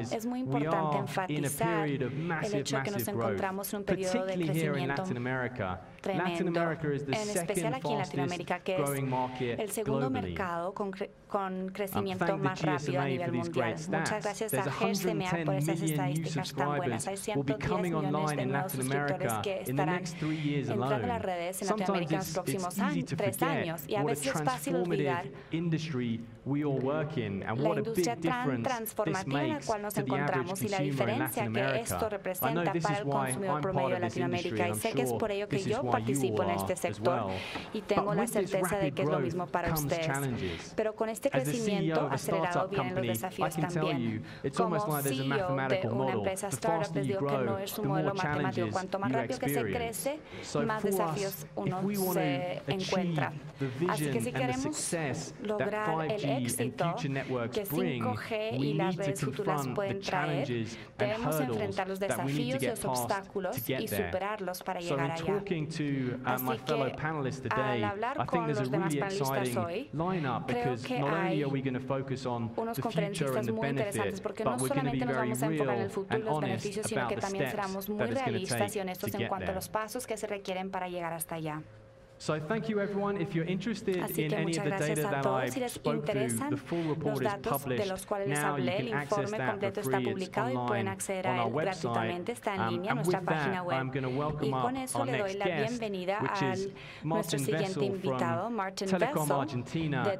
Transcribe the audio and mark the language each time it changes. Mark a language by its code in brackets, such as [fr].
[es] Es muy importante enfatizar el hecho de que nos encontramos en un periodo de crecimiento tremendo, en especial aquí en Latinoamérica, que es el segundo mercado con crecimiento más rápido a nivel mundial. Muchas gracias a GSMA por esas estadísticas tan buenas. Hay 110 millones de nuevos suscriptores que estarán entrando a las redes en Latinoamérica en los próximos 3 años. Y a veces es fácil olvidar [en] we all work in, and what a big difference this makes to the average consumer in Latin America. I know this is why I'm part of this industry, and I'm sure this is why you all are as well. But with this rapid growth comes challenges. As the CEO of a startup company, I can tell you, it's almost like there's a mathematical model. The faster you grow, the more challenges you experience. So for us, if we want to achieve the vision and the success that 5G [es] éxito que 5G y las redes futuras pueden traer, debemos enfrentar los desafíos y los obstáculos y superarlos para llegar allá. Así que, al hablar con los demás panelistas hoy, creo que hay unos conferencistas muy interesantes porque no solamente nos vamos a enfocar en el futuro y los beneficios, sino que también seremos muy realistas y honestos en cuanto a los pasos que se requieren para llegar hasta allá. [en] So thank you everyone. If you're interested in any of the data that I spoke to, the full report is published now. You can access that for free. It's online on our website. And with that, I'm going to welcome up our next guest, which is Martin Vessel from Telecom Argentina.